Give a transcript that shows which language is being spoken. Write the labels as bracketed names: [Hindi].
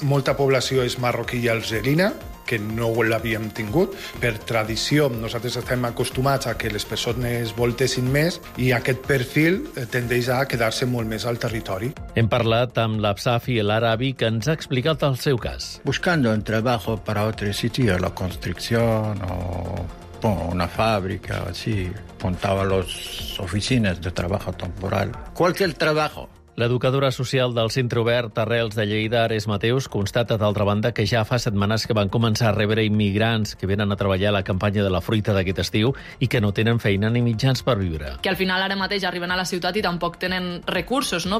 [Catalan] Molta població és marroquí i algerina, que no l'havíem tingut. Per tradició, nosaltres estem acostumats a que les persones voltessin més i aquest perfil tendeix a quedar-se molt més al territori. Hem parlat amb l'Absaf i l'Arabi, que ens ha explicat el seu cas. [Spanish] Buscando un trabajo para otro sitio, la construcción o una fábrica o así, montaba las oficinas de trabajo temporal. Cualquier trabajo. [Catalan] L'educadora social del Centre Obert Arrels de Lleida, Ares Mateus, constata, d'altra banda, que ja fa setmanes que van començar a rebre immigrants que venen a treballar a la campanya de la fruita d'aquest estiu i que no tenen feina ni mitjans per viure. Que al final ara mateix arriben a la ciutat i tampoc tenen recursos, no?